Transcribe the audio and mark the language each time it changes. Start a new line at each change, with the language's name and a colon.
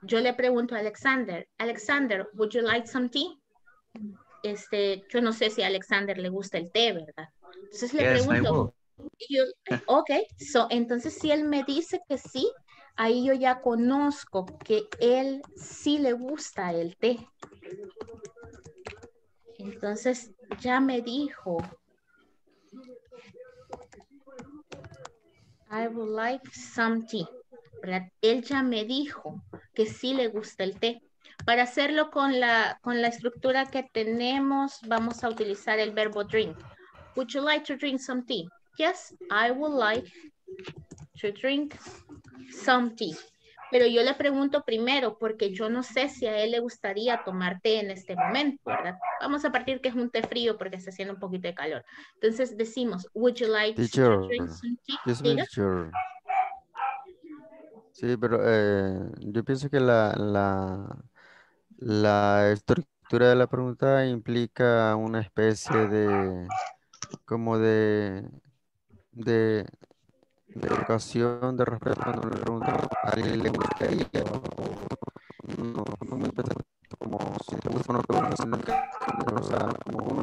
Spanish: Yo le pregunto a Alexander, Alexander,
English: would you like some tea?
Spanish: Este, yo no sé si a Alexander le gusta el té, ¿verdad? Entonces le pregunto. Ok, so, entonces si él me dice que sí, ahí yo ya conozco que él sí le gusta el té. Entonces ya me dijo,
English: I would like some tea.
Spanish: ¿Verdad? Él ya me dijo que sí le gusta el té. Para hacerlo con la estructura que tenemos, vamos a utilizar el verbo drink.
English: Would you like to drink some tea? Yes, I would like to drink some tea.
Spanish: Pero yo le pregunto primero porque yo no sé si a él le gustaría tomar té en este momento, ¿verdad? Vamos a partir que es un té frío porque está haciendo un poquito de calor. Entonces decimos,
English: would you like teacher, to drink some tea? Teacher.
Spanish: Sí, pero yo pienso que la estructura de la pregunta implica una especie de como de educación, de respeto cuando le pregunto a alguien le gusta y no me interesa como si te gusta o no te gusta, sino que o sea, como